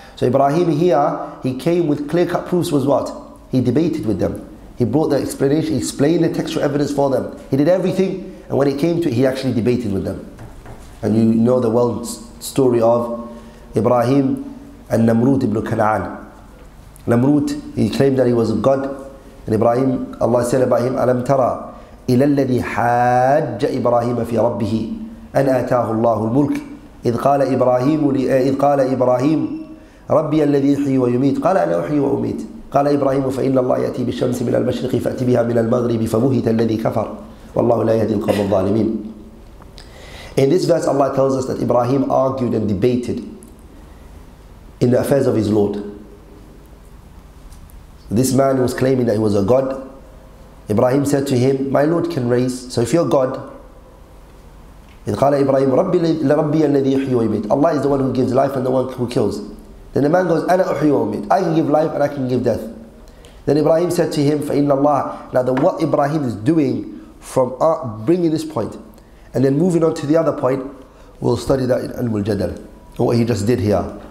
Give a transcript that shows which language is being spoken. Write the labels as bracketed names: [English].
[English] So Ibrahim here, he came with clear-cut proofs, was what? He debated with them. He brought the explanation, explained the textual evidence for them. He did everything, and when it came to it, he actually debated with them. And you know the well story of Ibrahim and Namrud ibn Kana'an. Namrud, he claimed that he was a god. And Ibrahim, Allah said about him, [Arabic] أَلَمْ تَرَى إِلَى الَّذِي حَاجَّ إِبْرَاهِيمَ فِي رَبِّهِ أَنْ آتَاهُ اللَّهُ الْمُلْكِ إِذْ قَالَ إِبْرَاهِيمُ ربي الذي يحيي ويميت قال انا احيي واميت قال ابراهيم فان الله ياتي بالشمس من المشرق فاتي بها من المغرب فبهت الذي كفر والله لا يهدي القوم الظالمين. [English] In this verse Allah tells us that Ibrahim argued and debated in the affairs of his Lord. This man was claiming that he was a god. Ibrahim said to him, my Lord can raise, so if you're God. [Arabic] إذ قال إبراهيم ربي الذي يحيي ويميت. [English] Allah is the one who gives life and the one who kills. Then the man goes, [Arabic] أنا أحيي وأميت. [English] I can give life and I can give death. Then Ibrahim said to him, [Arabic] فَإِنَّ اللَّهَ. [English] Now the what Ibrahim is doing from bringing this point and then moving on to the other point, we'll study that in علم الجدل. What he just did here.